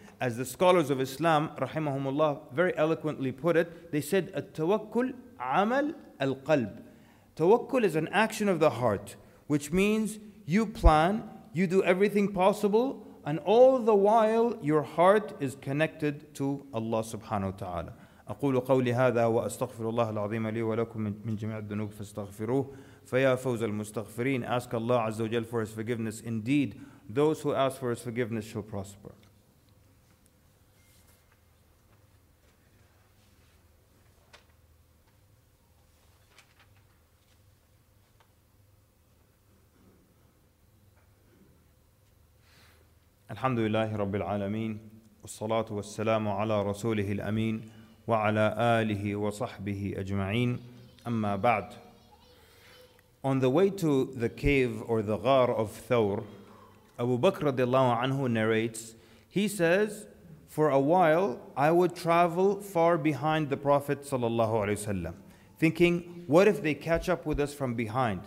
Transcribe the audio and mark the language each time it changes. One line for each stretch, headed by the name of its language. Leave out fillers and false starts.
English: As the scholars of Islam, rahimahumullah, very eloquently put it, they said,
Arabic: "At-tawakkul amal al-qalb."
English: Tawakkul is an action of the heart, which means you plan, you do everything possible, and all the while your heart is connected to Allah subhanahu wa ta'ala.
Arabic: أقول قولي هذا وأستغفر الله العظيم لي ولكم من جميع الذنوب فاستغفروه فيا فوز المستغفرين.
English: Ask Allah
Arabic: عز وجل
English: for His forgiveness. Indeed, those who ask for His forgiveness shall prosper.
Arabic: الحمد لله رب العالمين والصلاة والسلام على رسوله الأمين وعلى آله وصحبه أجمعين أما بعد.
English: On the way to the cave or the ghar of Thawr, Abu Bakr radiallahu anhu narrates, he says, "For a while I would travel far behind the Prophet sallallahu alaihi wasallam, thinking, what if they catch up with us from behind?